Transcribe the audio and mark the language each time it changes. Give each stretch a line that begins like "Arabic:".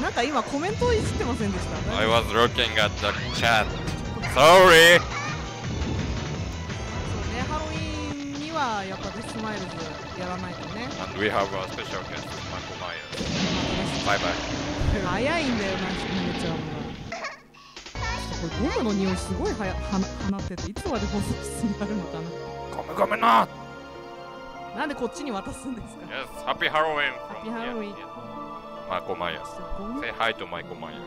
Japanese: なんか今コメントいじってませんでした。
English: I was looking at the chat. Sorry。
Japanese: そうね、ハロウィンにはやっぱデススマイルズやらないとね。
English: And we have a special guest, Michael Myers. Bye bye。
Japanese: 早いんだよ、マジで。めちゃうな。これゴムの匂いすごい放ってて、いつまで放送室になるのかな。ゴムゴムな。なんでこっちに渡すんですか。
English: Yes, Happy Halloween from Happy Halloween. Michael Myers. Say hi to Michael Myers.